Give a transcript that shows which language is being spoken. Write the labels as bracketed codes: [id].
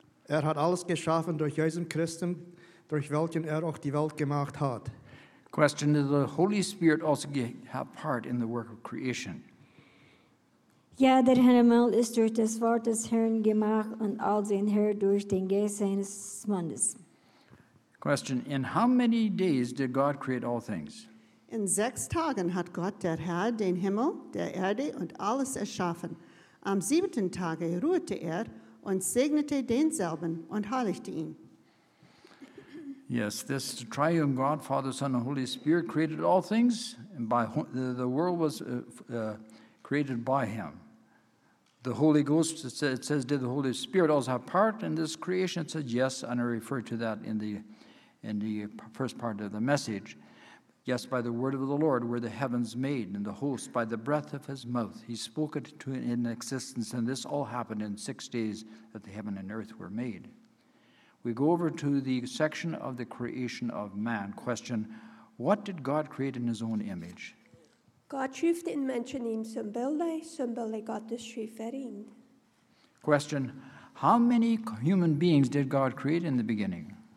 [de] Hat alles geschaffen durch Jesus Christus, durch welchen auch die Welt gemacht hat. [en] Question, did the Holy Spirit also have part in the work of creation? [de] Ja, der Himmel ist durch das Wort des Herrn gemacht und all sein Herr durch den Geist seines Mundes. [en] Question, in how many days did God create all things? [de] In 6 Tagen hat Gott der Herr den Himmel, der Erde und alles erschaffen. Am 7. Tage ruhte und segnete denselben und heiligte ihn. [en] Yes, this triune God, Father, Son, and Holy Spirit created all things, and by the world was created by him. The Holy Ghost, it says, did the Holy Spirit also have part in this creation? It says, yes, and I refer to that in the first part of the message. Yes, by the word of the Lord were the heavens made, and the host by the breath of his mouth. He spoke it to in existence, and this all happened in 6 days that the heaven and earth were made. We go over to the section of the creation of man. Question, what did God create in his own image? [de] God schuf den Menschen im Sonnenbilde, Sonnenbilde Gottes schuf er ihn. [en] Question, how many human beings did God create in the beginning?